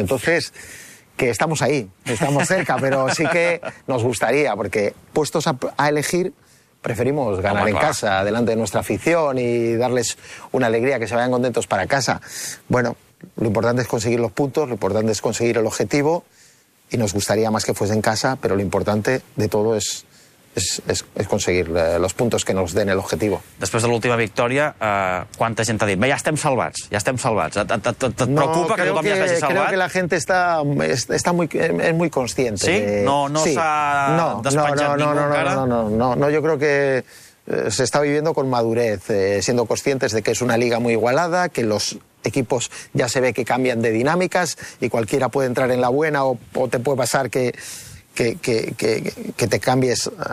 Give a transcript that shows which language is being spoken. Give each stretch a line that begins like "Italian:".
Spanish: Entonces, que estamos ahí, estamos cerca, pero sí que nos gustaría, porque puestos a elegir, preferimos ganar en casa, delante de nuestra afición, y darles una alegría, que se vayan contentos para casa. Bueno, lo importante es conseguir los puntos, lo importante es conseguir el objetivo, y nos gustaría más que fuese en casa, pero lo importante de todo es conseguir los puntos que nos den el objetivo.
Catalan: Després de l'última victòria, quanta gent ha dit, bé, ja estem salvats. Et preocupa que tothom ja s'hagi salvat?
Spanish: No, creo que la gente es muy consciente. Sí?
Catalan: No s'ha despenjat ningú encara?
Spanish: No, yo creo que se está viviendo con madurez, siendo conscientes de que es una liga muy igualada, que los equipos ya se ve que cambian de dinámicas y cualquiera puede entrar en la buena o te puede pasar que te cambies.